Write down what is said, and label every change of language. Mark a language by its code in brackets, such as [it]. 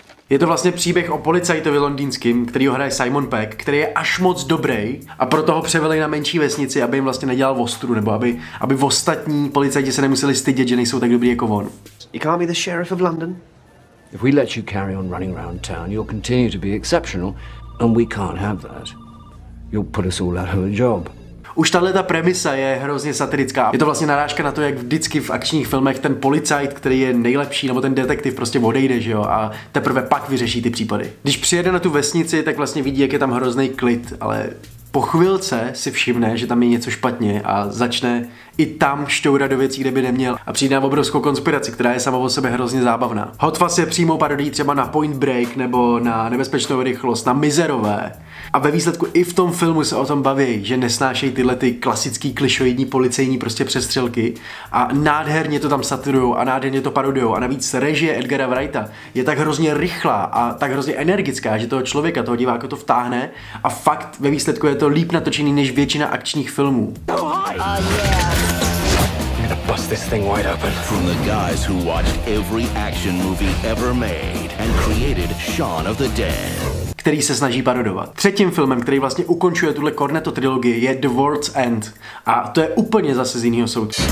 [cs] Je to vlastně příběh o policajtovi londýnským, který ho hraje Simon Pegg, který je až moc dobrý a proto ho převeli na menší vesnici, aby jim vlastně nedělal ostru, nebo aby ostatní policajti se nemuseli stydět, že nejsou tak dobrý jako on. [en] You can't be the sheriff of London. If we let you carry on running around town, you'll continue to be exceptional and we can't have that. You'll put us all out of a job. [cs] Už tahle ta premisa je hrozně satirická. Je to vlastně narážka na to, jak vždycky v akčních filmech ten policajt, který je nejlepší, nebo ten detektiv prostě odejde, že jo, a teprve pak vyřeší ty případy. Když přijede na tu vesnici, tak vlastně vidí, jak je tam hrozný klid, ale po chvilce si všimne, že tam je něco špatně a začne i tam šťourat do věcí, kde by neměl a přijde na obrovskou konspiraci, která je sama o sebe hrozně zábavná. Hot Fuzz je přímo parodií třeba na Point Break nebo na Nebezpečnou rychlost, na Mizerové. A ve výsledku i v tom filmu se o tom baví, že nesnášejí tyhle ty klasický klišoidní policejní prostě přestřelky a nádherně to tam satirujou a nádherně to parodujou a navíc režie Edgara Wrighta je tak hrozně rychlá a tak hrozně energická, že toho člověka, toho diváka to vtáhne a fakt ve výsledku je to líp natočený než většina akčních filmů. [en] Bust this thing wide open. From the guys who watched every action movie ever made and created Shaun of the Dead. [cs] Který se snaží parodovat. Třetím filmem, který vlastně ukončuje tuhle Cornetto trilogii, je The World's End. A to je úplně zase z jiného soudu.